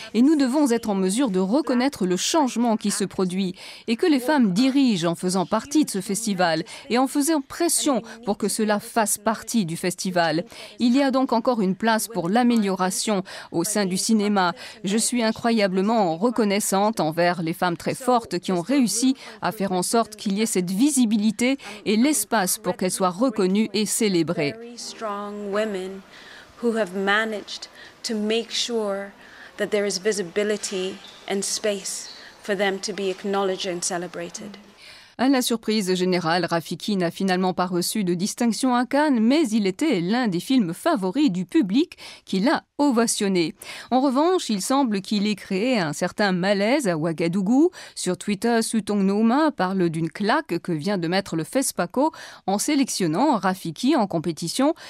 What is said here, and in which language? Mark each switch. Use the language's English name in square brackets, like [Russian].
[French] Et nous devons être en mesure de reconnaître le changement qui se produit et que les femmes dirigent en faisant partie de ce festival et en faisant pression pour que cela fasse partie du festival. Il y a donc encore une place pour l'amélioration au sein du cinéma. Je suis incroyablement reconnaissante envers les femmes très fortes qui ont réussi à faire en sorte qu'il y ait cette visibilité et l'espace pour qu'elles soient reconnues et célébrées. [English] Strong women who have managed to make sure that there is visibility and space for them to be acknowledged and celebrated. [French] À la surprise générale, Rafiki n'a finalement pas reçu de distinction à Cannes, mais il était l'un des films favoris du public qui l'a ovationné. En revanche, il semble qu'il ait créé un certain malaise à Ouagadougou. Sur Twitter, Sutong Nouma parle d'une claque que vient de mettre le FESPACO en sélectionnant Rafiki en compétition.